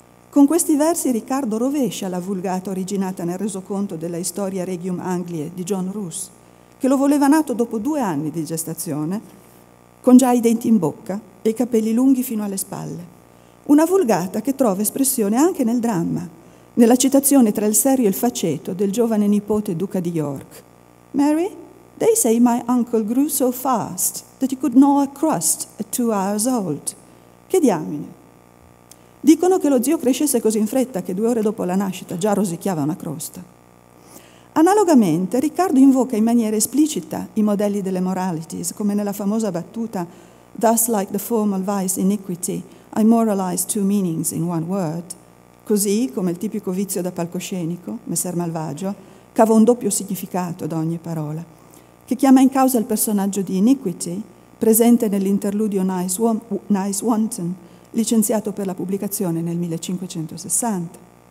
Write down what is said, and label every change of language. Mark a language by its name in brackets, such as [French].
[Italian] Con questi versi Riccardo rovescia la vulgata originata nel resoconto della Historia Regium Angliae di John Rus, che lo voleva nato dopo 2 anni di gestazione, con già i denti in bocca e i capelli lunghi fino alle spalle. Una vulgata che trova espressione anche nel dramma, nella citazione tra il serio e il faceto del giovane nipote duca di York. [English] Mary, they say my uncle grew so fast that he could gnaw a crust at 2 hours old. [Italian] Che diamine! Dicono che lo zio crescesse così in fretta che 2 ore dopo la nascita già rosicchiava una crosta. Analogamente, Riccardo invoca in maniera esplicita i modelli delle moralities, come nella famosa battuta [English] «Thus like the formal vice iniquity, I moralize 2 meanings in 1 word», [Italian] così come il tipico vizio da palcoscenico, Messer Malvagio, cava un doppio significato da ogni parola, che chiama in causa il personaggio di Iniquity, presente nell'interludio Nice Wanton, licenziato per la pubblicazione nel 1560.